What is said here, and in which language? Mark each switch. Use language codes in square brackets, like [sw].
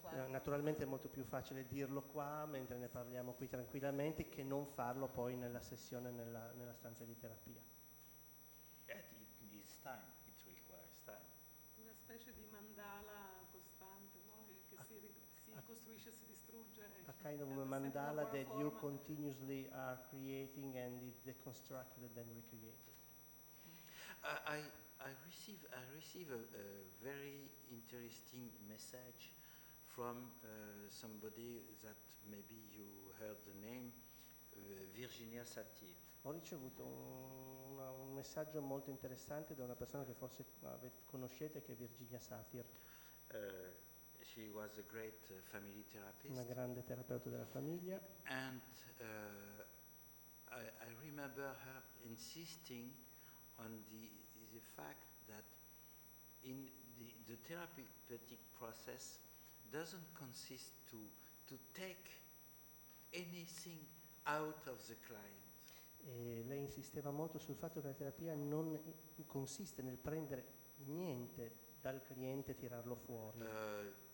[it] Naturalmente è molto più facile dirlo qua mentre ne parliamo qui tranquillamente che non farlo poi nella sessione nella stanza di terapia. [en] It needs time, it requires time. [it] Una specie di mandala costante, no? Che si costruisce, si distrugge. [en] A kind of a mandala that you continuously are creating and it deconstructed and then recreated. I receive a very interesting message from somebody that maybe you heard the name, Virginia Satir. [it] Ho ricevuto un messaggio molto interessante da una persona che forse conoscete, che è Virginia Satir. [en] She was a great family therapist. [it] Una grande terapeuta della famiglia. [en] And I remember her insisting on the fact that in the therapeutic process doesn't consist to take anything out of the client. [it] E lei insisteva molto sul fatto che la terapia non consiste nel prendere niente dal cliente e tirarlo fuori.